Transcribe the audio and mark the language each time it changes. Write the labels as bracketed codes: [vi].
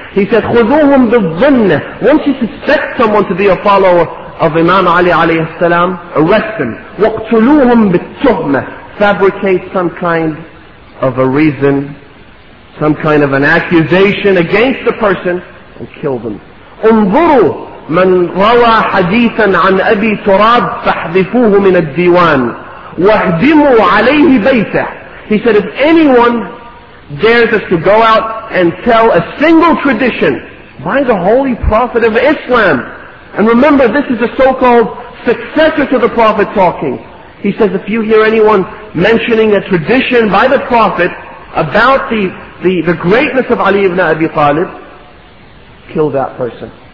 [en] He said, [ar] "Khuduhum bi-dhinnah." [en] Once you suspect someone to be a follower of Imam Ali alayhi salam, arrest him. [ar] "Waqtuluhum bi-tuhmah." [en] Fabricate some kind of a reason some kind of an accusation against a person and kill them. [ar] انظروا من روى حديثا عن أبي تراب فاحذفوه من الديوان واهدموا عليه بيته. [en] He said, if anyone dares us to go out and tell a single tradition by the holy prophet of Islam, and remember, this is a so-called successor to the prophet talking. He says, if you hear anyone mentioning a tradition by the prophet about the greatness of Ali ibn Abi Talib, kill that person.